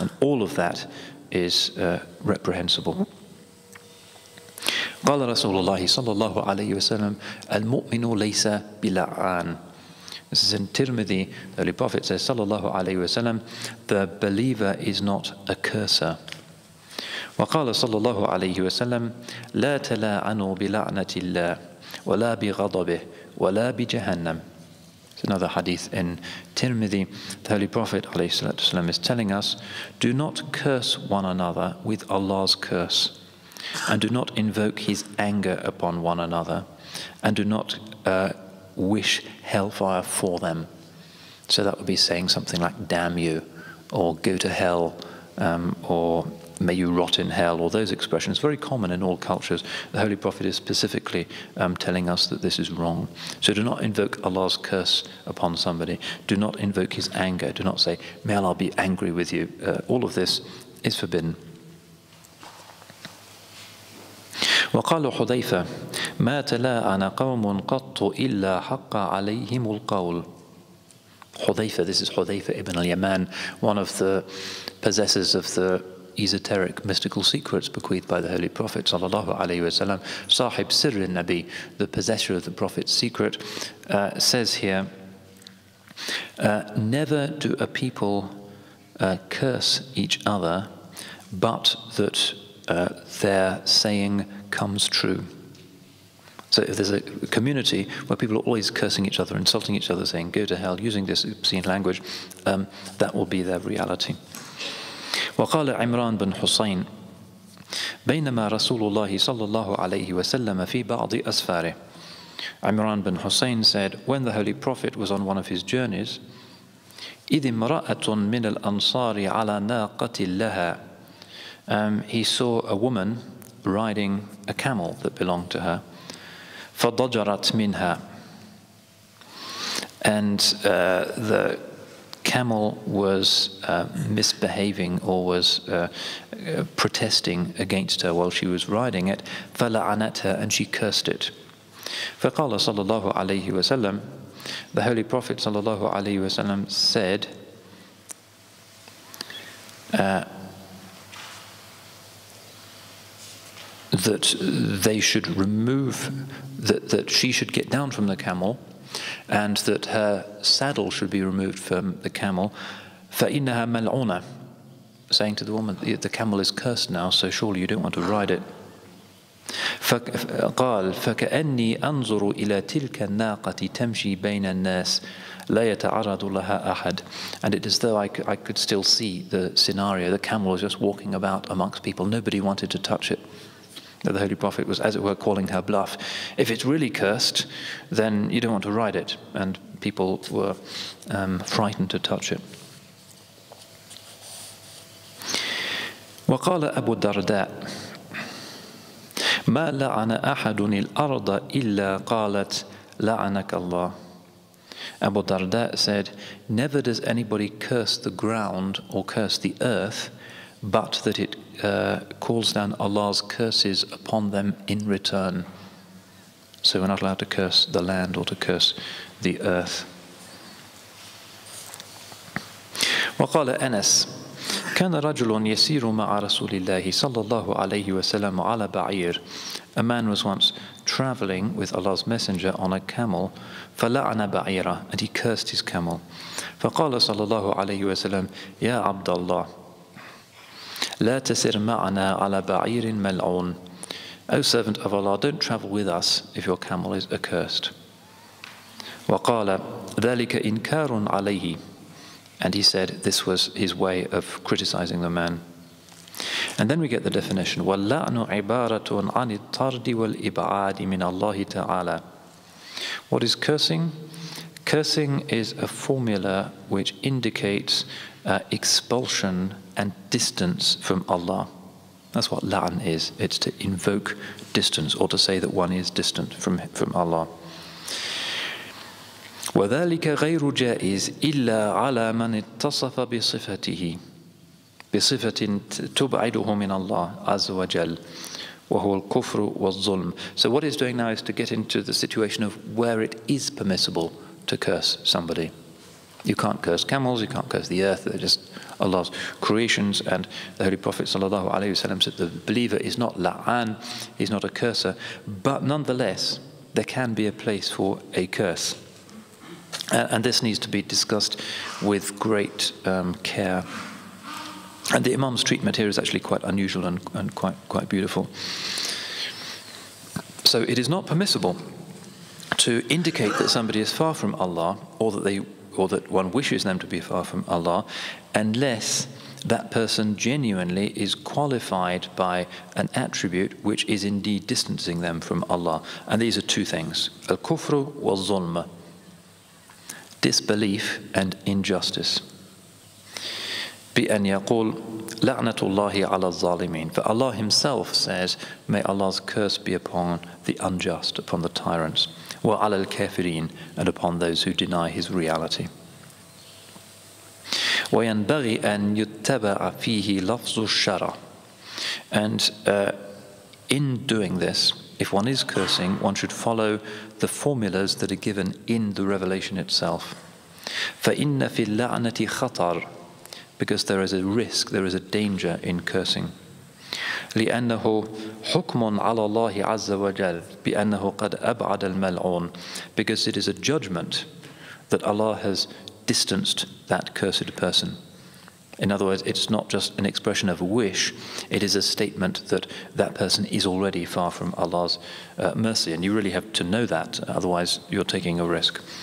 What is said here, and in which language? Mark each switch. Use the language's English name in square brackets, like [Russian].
[English] And all of that is reprehensible. [Arabic] قَالَ رَسُولُ اللَّهِ صَلَّى اللَّهُ عَلَيْهِ وَسَلَّمَ الْمُؤْمِنُ لَيْسَ بِلَعَانٍ. [English] This is in Tirmidhi, the Holy Prophet says, [Arabic] sallallahu alayhi wa sallam, [English] the believer is not a cursor. [Arabic] وَقَالَ sallallahu alayhi wa sallam, لَا تَلَاعَنُوا بِلَعْنَةِ اللَّهِ وَلَا بِغَضَبِهِ وَلَا بِجَهَنَّمِ. [English] It's another hadith in Tirmidhi. The Holy Prophet والسلام, is telling us, do not curse one another with Allah's curse, and do not invoke His anger upon one another, and do not wish hellfire for them. So that would be saying something like damn you, or go to hell, or may you rot in hell, or those expressions, very common in all cultures. The Holy Prophet is specifically telling us that this is wrong. So do not invoke Allah's curse upon somebody. Do not invoke His anger. Do not say, may Allah be angry with you. All of this is forbidden. [Arabic] وقال حذيفة ما تلاعن قوم قط إلا حق عليهم القول. [English] Hudhayfa, this is Hudhayfa ibn al-Yaman, one of the possessors of the esoteric mystical secrets bequeathed by the Holy Prophet [Arabic] sallallahu alayhi wa sallam, sahib sirr al-Nabi, [English] the possessor of the Prophet's secret, says here, never do a people curse each other but that their saying comes true. So if there's a community where people are always cursing each other, insulting each other, saying go to hell, using this obscene language, that will be their reality. [Arabic] وقال عمران بن حسين بينما رسول الله صلى الله عليه وسلم في بعض أسفاره. [English] Imran bin Hussein said, when the Holy Prophet was on one of his journeys, [Arabic] إذ امرأة من الأنصار على ناقة لها. [English] He saw a woman riding a camel that belonged to her. [Arabic] فَضَجَرَتْ مِنْهَا. [English] And the camel was misbehaving or was protesting against her while she was riding it. [Arabic] فَلَعَنَتْ هَا, [English] and she cursed it. [Arabic] فَقَالَ صَلَى اللَّهُ عَلَيْهِ وَسَلَّمْ, [English] the Holy Prophet [Arabic] صَلَى اللَّهُ عَلَيْهِ وَسَلَّمْ [English] said, that they should remove, that she should get down from the camel, and that her saddle should be removed from the camel. [Arabic] فَإِنَّهَا مَلْعُونَ, [English] saying to the woman, the camel is cursed now, so surely you don't want to ride it. [Arabic] فقال فكأني أنظر إلى تلك الناقة تمشي بين الناس لا يتعرض لها أحد. [English] And it is though I could still see the scenario. The camel was just walking about amongst people. Nobody wanted to touch it. The Holy Prophet was, as it were, calling her bluff. If it's really cursed, then you don't want to ride it. And people were frightened to touch it. [Arabic] وقال أبو الدرداء ما لعن أحد الأرض إلا قالت لعنك الله. [English] Abu Darda said, never does anybody curse the ground or curse the earth, but that it calls down Allah's curses upon them in return. So we're not allowed to curse the land or to curse the earth. [Arabic] وقال أنس كان رجل يسير مع رسول الله صلى الله عليه وسلم على بعير. [English] A man was once traveling with Allah's messenger on a camel. [Arabic] فلعن بعيرة, [English] and he cursed his camel. [Arabic] فقال صلى الله عليه وسلم يا عبد الله لا تسر معنا على بعير ملعون. [English] O servant of Allah, don't travel with us if your camel is accursed. [Arabic] وقال ذلك إنكار عليه. [English] And he said this was his way of criticizing the man. And then we get the definition. [Arabic] وَاللَّعْنُ عِبَارَةٌ عَنِ الطَّرْدِ وَالْإِبْعَادِ مِنَ اللَّهِ تَعَالَى. [English] What is cursing? Cursing is a formula which indicates expulsion and distance from Allah. That's what لَعْن is. It's to invoke distance or to say that one is distant from Allah. [Arabic] وذلك غير جائز إلا على من اتصف بصفته بصفة تبعده من الله عز وجل وهو الكفر والظلم. [English] So what he's doing now is to get into the situation of where it is permissible to curse somebody. You can't curse camels, you can't curse the earth, they're just Allah's creations. And the Holy Prophet [Arabic] sallallahu alaihi wasallam [English] said the believer is not la'an, he's not a curser, but nonetheless there can be a place for a curse. And this needs to be discussed with great care. And the Imam's treatment here is actually quite unusual and quite beautiful. So it is not permissible to indicate that somebody is far from Allah, or that one wishes them to be far from Allah, unless that person genuinely is qualified by an attribute which is indeed distancing them from Allah. And these are two things: [Arabic] al-kufru wal-zulm, [English] disbelief and injustice. [Arabic] بأن يقول لعنة الله على الظالمين. [English] For Allah himself says, may Allah's curse be upon the unjust, upon the tyrants. [Arabic] وعلى الكافرين, [English] and upon those who deny his reality. [Arabic] وينبغي أن يتبع فيه لفظ الشرع. [English] And in doing this, if one is cursing, one should follow the formulas that are given in the revelation itself. [Arabic] فإن في اللعنة خطر. [English] Because there is a risk, there is a danger in cursing. [Arabic] لأنه حكم على الله عز وجل بأنه قد أبعد الملعون. [English] Because it is a judgment that Allah has distanced that cursed person. In other words, it's not just an expression of wish, it is a statement that that person is already far from Allah's mercy. And you really have to know that, otherwise you're taking a risk.